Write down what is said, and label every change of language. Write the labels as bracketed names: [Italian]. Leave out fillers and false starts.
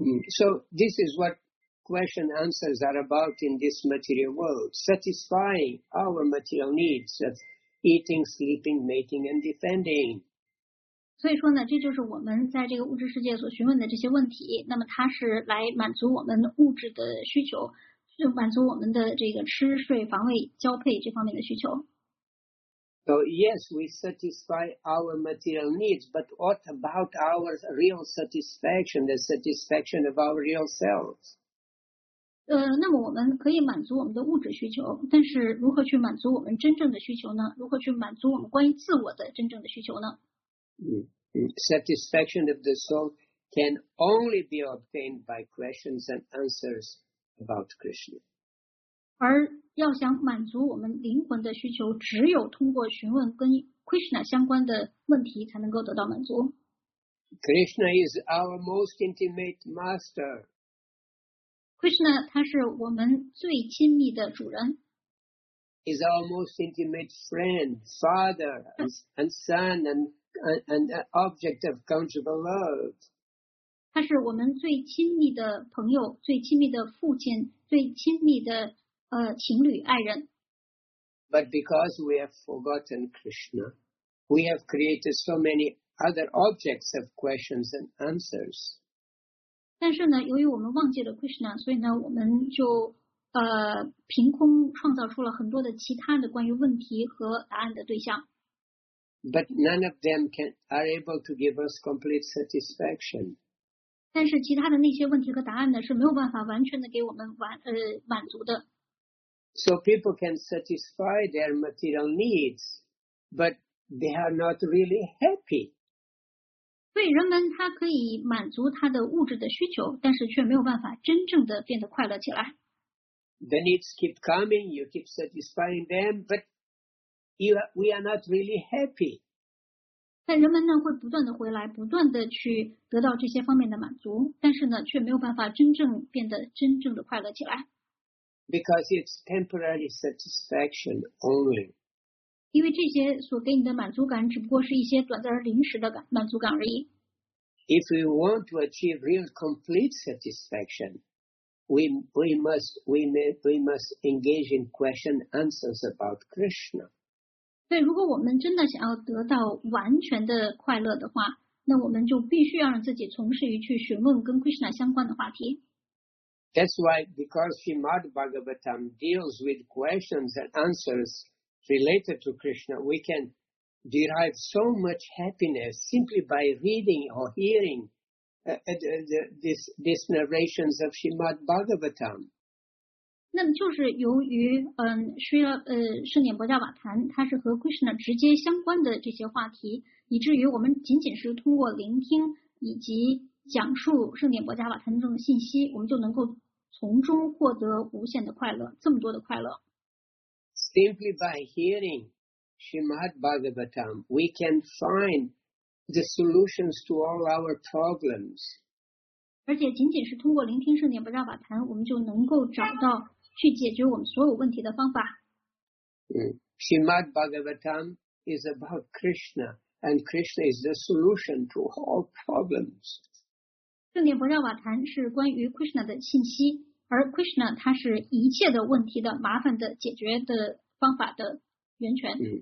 [English] So this is what question answers are about in this material world, satisfying our material needs of eating, sleeping, mating, and defending. [Chinese] 所以说呢，这就是我们在这个物质世界所询问的这些问题。那么它是来满足我们物质的需求，就满足我们的这个吃、睡、防卫、交配这方面的需求。 [English] So yes, we satisfy our material needs, but what about our real satisfaction, the satisfaction of our real selves? [Chinese] 那么我们可以满足我们的物质需求，但是如何去满足我们真正的需求呢？如何去满足我们关于自我的真正的需求呢？ [English] Satisfaction of the soul can only be obtained by questions and answers about Krishna. [Chinese] 而要想满足我们灵魂的需求，只有通过询问跟 Krishna 相关的问题才能够得到满足。 [English] Krishna is our most intimate master. [Chinese] Krishna 他是我们最亲密的主人。 [English] He's our most intimate friend, father, and son, and object of conjugal love. [Chinese] 他是我们最亲密的朋友，最亲密的父亲，最亲密的情侣爱人。 [English] But because we have forgotten Krishna, we have created so many other objects of questions and answers. [Chinese] 但是呢，由于我们忘记了 Krishna， 所以呢，我们就凭空创造出了很多的其他的关于问题和答案的对象。 [English] But none of them are able to give us complete satisfaction. [Chinese] 但是其他的那些问题和答案呢，是没有办法完全的给我们满足的。 [English] So people can satisfy their material needs, but they are not really happy. [Chinese] 对人们，他可以满足他的物质的需求，但是却没有办法真正的变得快乐起来。 [English] The needs keep coming, you keep satisfying them, but we are not really happy. [Chinese] 但人们呢，会不断的回来，不断的去得到这些方面的满足，但是呢，却没有办法真正变得真正的快乐起来。 [English] Because it's temporary satisfaction only. [Chinese] 因为这些所给你的满足感只不过是一些短暂而临时的满足感而已。 [English] If we want to achieve real complete satisfaction, we must engage in question answers about Krishna. [Chinese] 对，如果我们真的想要得到完全的快乐的话，那我们就必须要让自己从事于去询问跟 Krishna 相关的话题。 [English] That's why, because Srimad Bhagavatam deals with questions and answers related to Krishna, we can derive so much happiness simply by reading or hearing this narrations of Srimad Bhagavatam. [Chinese] 那么就是由于圣严波迦瓦坛它是和 Krishna 直接相关的这些话题，以至于我们仅仅是通过聆听以及讲述圣严波迦瓦坛中的信息，我们就能够从中获得无限的快乐，这么多的快乐。 [English] Simply by hearing Srimad Bhagavatam, we can find the solutions to all our problems. [Chinese] 而且仅仅是通过聆听圣严波迦瓦坛，我们就能够找到去解决我们所有问题的方法。 [English] Srimad Bhagavatam is about Krishna, and Krishna is the solution to all problems. [Chinese] 圣严波迦瓦坛是关于 Krishna 的信息，而 Krishna 他是一切的问题的麻烦的解决的方法的源泉。